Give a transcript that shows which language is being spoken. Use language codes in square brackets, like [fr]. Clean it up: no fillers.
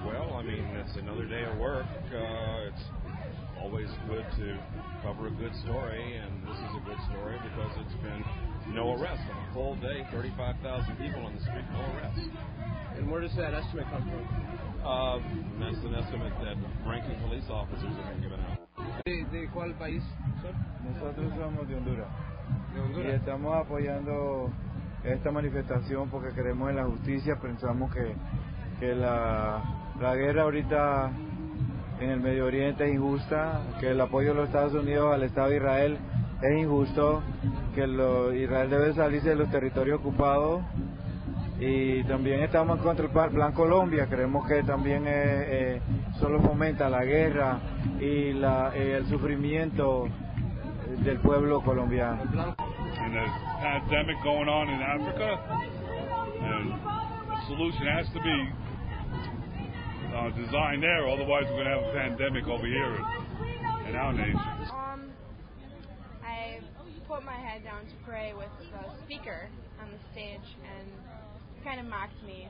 [en] Well, I mean, it's another day of work. It's always good to cover a good story, and this is a good story because it's been no arrest on a whole day, 35,000 people on the street, no arrest. And where does that estimate come from? That's an estimate that ranking police officers have been given out. [es] De cuál país, sir? Nosotros somos de Honduras. De Honduras. Y estamos apoyando esta manifestación porque creemos en la justicia, pensamos que la guerra ahorita en el Medio Oriente es injusta, que el apoyo de los Estados Unidos al Estado de Israel es injusto, que Israel debe salirse de los territorios ocupados, y también estamos en contra del Plan Colombia, creemos que también solo fomenta la guerra y el sufrimiento del pueblo colombiano. [en] In the pandemic going on in Africa, and the solution has to be designed there, otherwise we're going to have a pandemic over here in our nation. I put my head down to pray with the speaker on the stage, and he kind of mocked me.